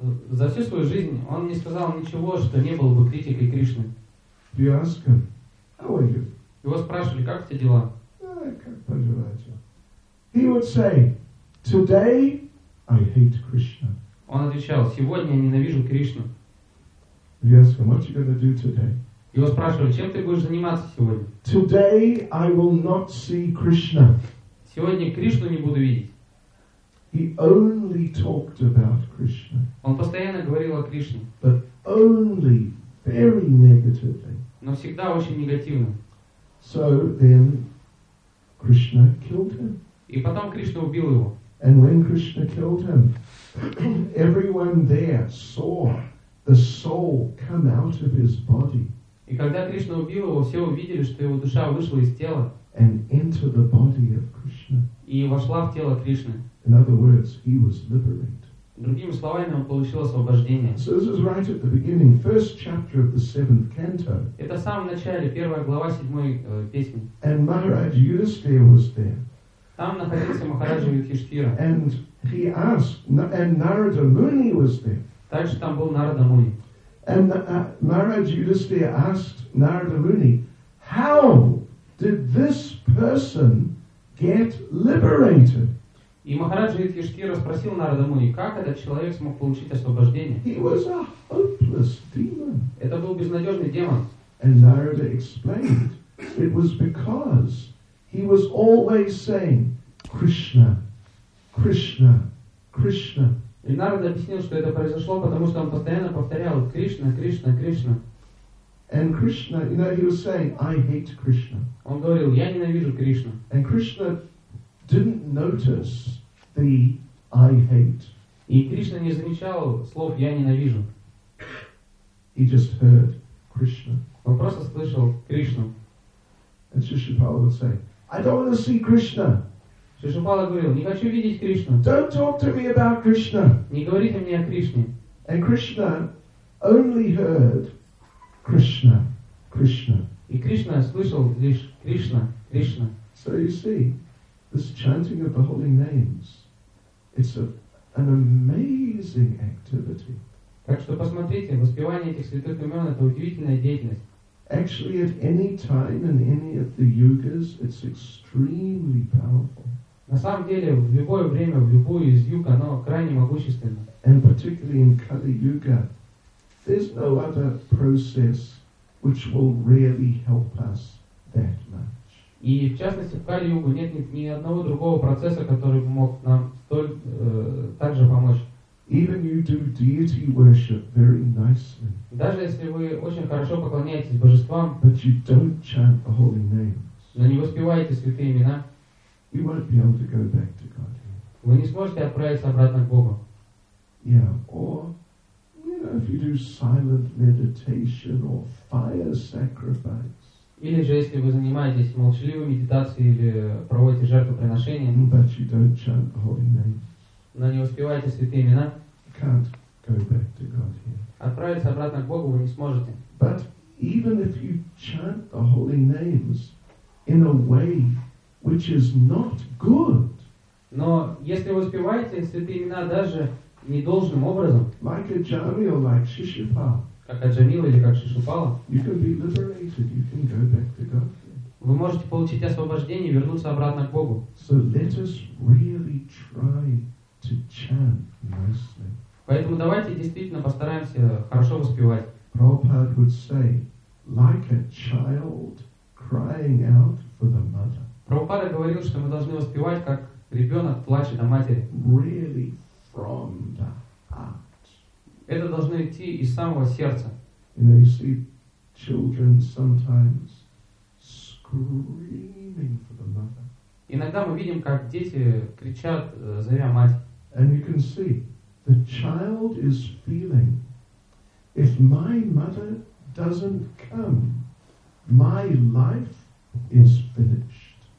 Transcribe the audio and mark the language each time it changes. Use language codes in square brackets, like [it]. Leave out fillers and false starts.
[ru] За всю свою жизнь он не сказал ничего, что не было бы критикой Кришны. [en] You ask him, how are you? [ru] Его спрашивали, как у тебя дела? Как поживаете? [en] He would say, today I hate Krishna. [ru] Он отвечал, сегодня я ненавижу Кришну. [en] You ask him, what are you going to do today? [ru] Его спрашивали, чем ты будешь заниматься сегодня? [en] Today I will not see Krishna. [ru] Сегодня Кришну не буду видеть. [en] He only talked about Krishna. [ru] Он постоянно говорил о Кришне. [en] But only very negatively. [ru] Но всегда очень негативно. [en] So then Krishna killed him. [ru] И потом Кришна убил его. [en] And when Krishna killed him, everyone there saw the soul come out of his body. [ru] И когда Кришна убил его, все увидели, что его душа вышла из тела. [en] And into the body of Krishna. [ru] И вошла в тело Кришны. [en] In other words, he was liberated. [ru] Другими словами, он получил освобождение. [en] So this is right at the beginning, first chapter of the seventh canto. [ru] Это в самом начале, первая глава седьмой песни. [en] And Maharaj Yudhishthira was there. [ru] Там находился Махараджа Юдхиштхира. [en] And he asked, and Narada Muni was there. [ru] Также там был Нарада Муни. [en] And Maharaj Yudhishthira asked Narada Muni, how did this person get liberated? [ru] И Махараджа Юдхиштхира спросил Нарада Муни, как этот человек смог получить освобождение? [en] He was a hopeless demon. [ru] Это был безнадежный демон. [en] And Narada explained, it was because he was always saying, Krishna, Krishna, Krishna. [ru] И Нарада объяснил, что это произошло, потому что он постоянно повторял Кришна, Кришна, Кришна. [en] And Krishna, you know, he was saying, I hate Krishna. [ru] Он говорил, я ненавижу Кришну. [en] And Krishna didn't notice the I hate. [ru] И Кришна не замечал слов я ненавижу. [en] He just heard Krishna. [ru] Он просто слышал Кришну. [en] And Shishupala would say, I don't want to see Krishna. [ru] Шишупала говорил, не хочу видеть Кришну. [en] Don't talk to me about Krishna. [ru] Не говорите мне о Кришне. [en] And Krishna only heard Krishna, Krishna. [ru] И Кришна слышал лишь Кришна, Кришна. [en] So you see, this chanting of the holy names, it's an amazing activity. [ru] Так что посмотрите, воспевание этих святых имен это удивительная деятельность. [en] Actually, at any time in any of the yugas, it's extremely powerful. [ru] На самом деле, в любое время, в любую из юг, оно крайне могущественно. [en] And particularly in Kali-yuga, there's no other process which will really help us that much. [ru] И в частности, в Кали-югу нет ни одного другого процесса, который бы мог нам так же помочь. [en] Even you do deity worship very nicely. [ru] Даже если вы очень хорошо поклоняетесь божествам, [en] but you don't chant the holy names, [ru] но не воспеваете святые имена, [en] you won't be able to go back to God. [ru] Вы не сможете отправиться обратно к Богу. [en] Yeah, or you know, if you do silent meditation or fire sacrifice. [ru] Или же если вы занимаетесь молчаливой медитацией или проводите жертвоприношение, [en] but you don't chant the holy names. [ru] Но не успеваете святые имена. [en] Can't go back to God here. [ru] Отправиться обратно к Богу вы не сможете. [en] But even if you chant the holy names in a way which is not good. [ru] Но если вы успеваете святые имена даже недолжным образом. [en] Like a Jami or like Shishupala. [ru] Как Аджамила или как Шишупала. [en] You can be liberated. You can go back to God. [ru] Вы можете получить освобождение и вернуться обратно к Богу. [en] So let us really try to chant nicely. [ru] Поэтому давайте действительно постараемся хорошо воспевать. [en] Prabhupada would say, like a child crying out for the mother. [ru] Прабхупада говорил, что мы должны воспевать, как ребенок плачет о матери. [en] Really from the heart. [ru] Это должно идти из самого сердца. [en] You know, you see children sometimes screaming for the mother. [ru] Иногда мы видим, как дети кричат, зовя мать. [en] And you can see, the child is feeling, if my mother doesn't come, my life is finished.